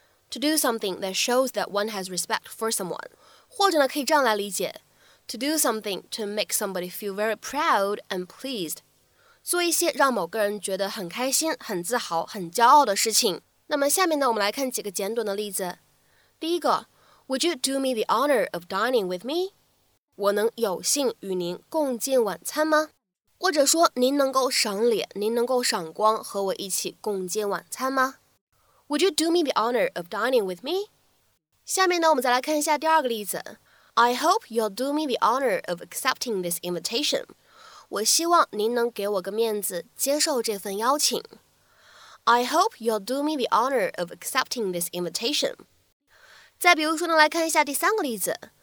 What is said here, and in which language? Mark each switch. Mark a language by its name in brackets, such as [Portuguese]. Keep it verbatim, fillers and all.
[English] To do something that shows that one has respect for someone， [Chinese] 或者呢，可以这样来理解 [English] to do something to make somebody feel very proud and pleased， [Chinese] 做一些让某个人觉得很开心、很自豪、很骄傲的事情。那么下面呢，我们来看几个简短的例子。第一个。 [English] Would you do me the honor of dining with me? [Chinese] 我能有幸与您共进晚餐吗？或者说您能够赏脸，您能够赏光和我一起共进晚餐吗？ [English] Would you do me the honor of dining with me? [Chinese] 下面呢，我们再来看一下第二个例子。 [English] I hope you'll do me the honor of accepting this invitation. [Chinese] 我希望您能给我个面子，接受这份邀请。 [English] I hope you'll do me the honor of accepting this invitation. [Chinese] 再比如说呢，来看一下第三个例子。